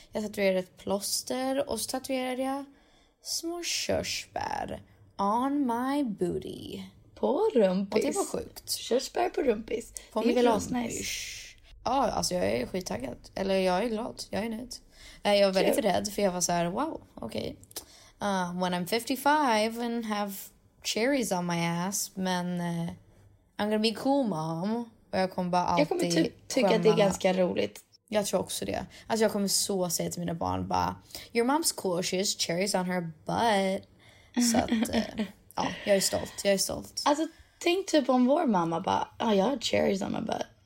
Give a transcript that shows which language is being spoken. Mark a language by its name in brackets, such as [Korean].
[Swedish] Jag tatuerade ett plåster och så tatuerade jag små körsbär [English] on my booty. [Swedish] På rumpis. Och det var sjukt. Körsbär på rumpis. På det är rumpis. Nice. Ja, alltså jag är skittaggad. Eller jag är glad. Jag är nöjd. Jag var väldigt rädd för jag var så här, wow, okej. [English] Okay. When I'm 55 and have cherries on my ass. Men I'm gonna be cool mom. [Swedish] Och jag kommer bara alltid Jag kommer tycka att det är ganska roligt. Jag tror också det. Alltså jag kommer så säga till mina barn bara, [English] your mom's cool, she has cherries on her butt. [Swedish] Så att... Ja, jag är stolt, jag är stolt. Alltså, tänk typ om vår mamma bara, oh, jag har [English] cherries on my butt.